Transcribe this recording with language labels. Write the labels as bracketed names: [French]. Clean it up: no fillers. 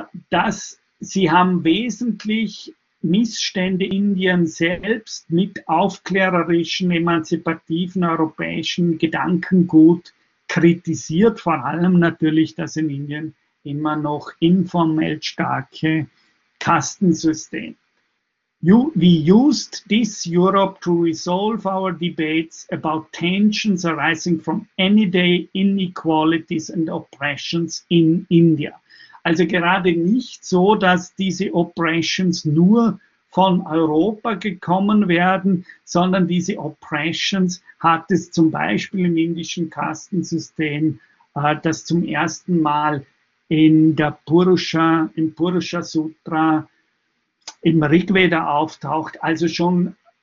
[German] dass sie haben wesentlich Missstände Indien selbst mit aufklärerischen, emanzipativen europäischen Gedankengut kritisiert, vor allem natürlich, dass in Indien immer noch informell starke Kastensystem. [English] We used this Europe to resolve our debates about tensions arising from anyday inequalities and oppressions in India. [German] Also gerade nicht so, dass diese Oppressions nur von Europa gekommen werden, sondern diese Oppressions hat es zum Beispiel im indischen Kastensystem, das zum ersten Mal in der Purusha, im Purusha Sutra, im Rigveda auftaucht, also schon